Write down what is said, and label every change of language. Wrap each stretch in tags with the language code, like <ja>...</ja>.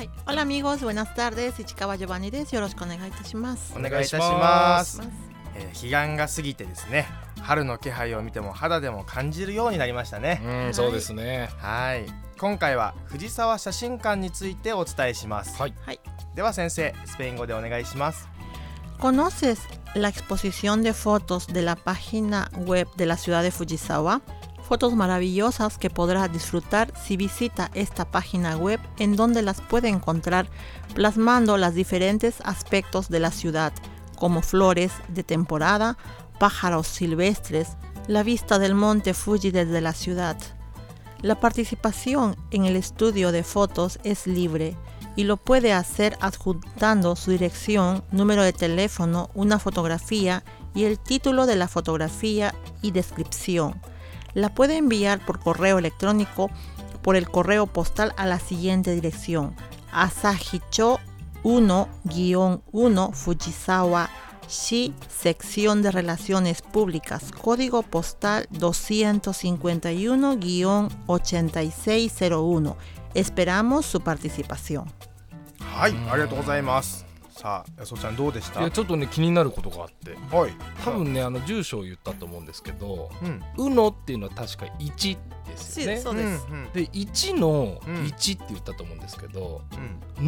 <ja>はい、</ja> <es>オラミゴス、ブナスタール</es> <ja>です。市川ジョバンニです。よろしくお願いいたします。お願いいたします。彼岸が過ぎてですね、春の気配を見ても肌でも感じるようになりましたね。そうですね。はい、今回は藤沢写真館についてお伝えします。はい、はい、では先生、スペイン語でお願いします。</ja> <es>¿Conoces la exposición de fotos de la página web de la ciudad de Fujisawa? Fotos maravillosas que podrás disfrutar si visita esta página web, en donde las puede encontrar plasmando los diferentes aspectos de la ciudad, como flores de temporada, pájaros silvestres, la vista del monte Fuji desde la ciudad. La participación en el estudio de fotos es libre y lo puede hacer adjuntando su dirección, número de teléfono, una fotografía y el título de la fotografía y descripción. La puede enviar por correo electrónico por el correo postal a la siguiente dirección: Asahicho 1-1 Fujisawa Shi, Sección de Relaciones Públicas, Código Postal 251-8601. Esperamos su participación.</es> <ja>はい、ありがとうございます。さあ、やそちゃんどうでした？いや、ちょっとね、気になることがあって、はい、多分ね、あの住所を言ったと思うんですけど、うん、ウノっていうのは確か1ですよね。そうです、うんうん、で、1の1って言ったと思うんですけど、うん、</ja>